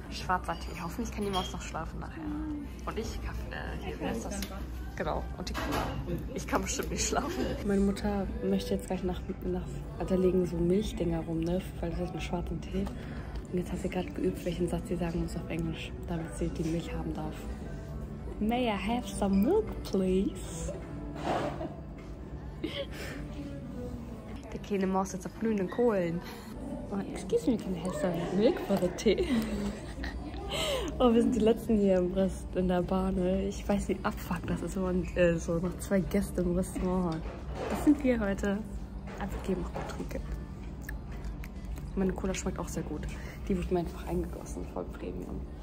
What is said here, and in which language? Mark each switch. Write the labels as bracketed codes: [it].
[de] Schwarzer Tee. Hoffentlich kann die Maus noch schlafen nachher. Und ich Kaffee. Hier, wie heißt das? Genau. Und die Kinder. Ich kann bestimmt nicht schlafen. Meine Mutter möchte jetzt gleich nach also legen so Milchdinger rum, ne? Weil das ist mit schwarzem Tee. Und jetzt hat sie gerade geübt, welchen Satz sie sagen muss auf Englisch, damit sie die Milch haben darf. [en] May I have some milk, please? [de] Der kleine Maus sitzt auf glühenden Kohlen. [en] Oh, excuse me, can I have some milk for the tea? [de] Oh, wir sind die Letzten hier im Rest in der Bar, ne? Ich weiß, wie abfuck das ist, wenn man so noch zwei Gäste im Restaurant hat. Das sind wir heute. Also geben auch Getränke. Meine Cola schmeckt auch sehr gut. Die wird mir einfach eingegossen, voll Premium.